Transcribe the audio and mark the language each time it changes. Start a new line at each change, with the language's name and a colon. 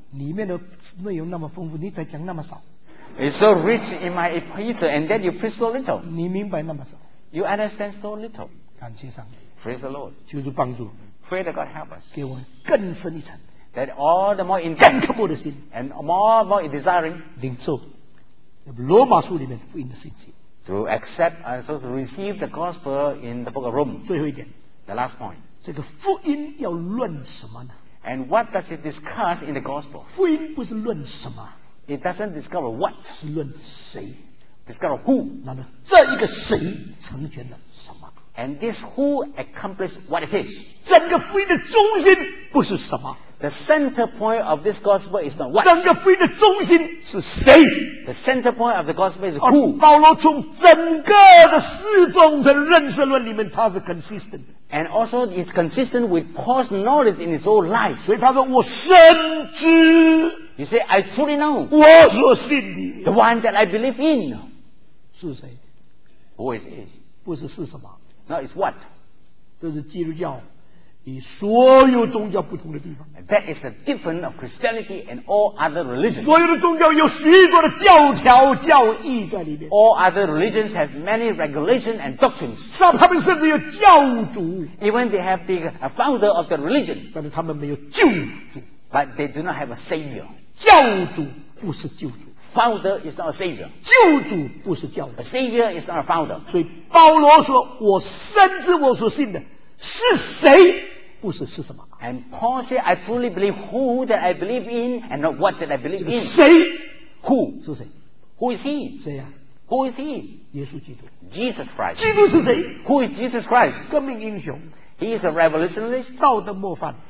Chinese: 里面的内容那么丰富，你才讲那么少。
English: It's so rich in my epistle, and then you preach so little.
Chinese: 你明白那么少。
English: You understand so little.
Chinese: 感谢上帝。
English: Praise the Lord.
Chinese: 求主帮助。
English: Pray that God help us.
Chinese: 给我更深一层。
English: That all the more intense.
Chinese: 更渴慕的心。
English: And more desiring.
Chinese: 领受。罗马书里面福音的信息。
English: To accept and so to receive the gospel in the book of Romans.
Chinese: 最后一点。
English: The last point.
Chinese: 这个福音要论什么呢？
English: And what does it discuss in the gospel?
Chinese: 福音不是论什么。
English: It doesn't discover what.
Chinese: 是论谁。
English: Discover who.
Chinese: 那么这一个谁成全了什么。
English: And this who accomplished what it is.
Chinese: 整个福音的中心不是什么。
English: The center point of this gospel is not what?
Chinese: 整个福音的中心是谁?
English: The center point of the gospel is who?
Chinese: 保罗从整个的四种的认识论里面他是 consistent.
English: And also is consistent with Paul's knowledge in his own life.
Chinese: 所以他说我深知。
English: You say, I truly know.
Chinese: 我所信的。
English: The one that I believe in.
Chinese: 是谁?
English: Who is it?
Chinese: 不是是什么?
English: No, it's what?
Chinese: 这是基督教。以所有宗教不同的地方
English: That is the difference of Christianity and all other religions
Chinese: 所有的宗教有许多的教条教义在里面
English: All other religions have many regulations and doctrines
Chinese: 上他们甚至有教主
English: Even they have the founder of the religion
Chinese: 但是他们没有救主
English: But they do not have a savior
Chinese: 教主不是救主
English: Founder is not a savior
Chinese: 救主不是教主
English: A savior is not a founder
Chinese: 所以保罗说我深知我所信的是谁不是是什么
English: And Paul said I truly believe who that I believe in and not what that I believe in
Chinese: 谁
English: who
Chinese: 是谁
English: who is he
Chinese: 谁啊
English: who is he
Chinese: 耶稣基督
English: Jesus Christ
Chinese: 基督是谁
English: who is Jesus Christ
Chinese: 革命英雄
English: he is a revolutionist
Chinese: 道德模范